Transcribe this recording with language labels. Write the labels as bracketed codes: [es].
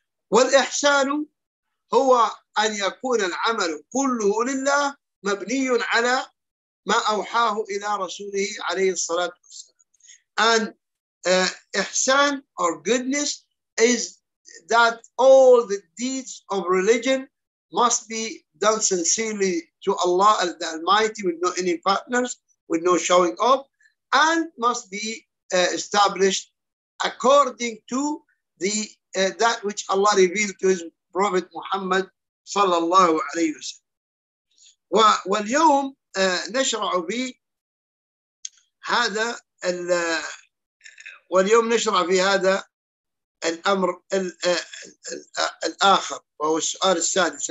[ar] والإحسان هو أن يكون العمل كله لله مبني على ما أوحاه إلى رسوله عليه الصلاة والسلام. [en] And إحسان or goodness is that all the deeds of religion must be done sincerely to Allah, the Almighty, with no any partners, with no showing up, and must be established according to the that which Allah revealed to His Prophet Muhammad sallallahu alayhi wa sallam. [ar] واليوم نشرع في هذا واليوم نشرع في هذا الأمر الآخر وهو السؤال السادس.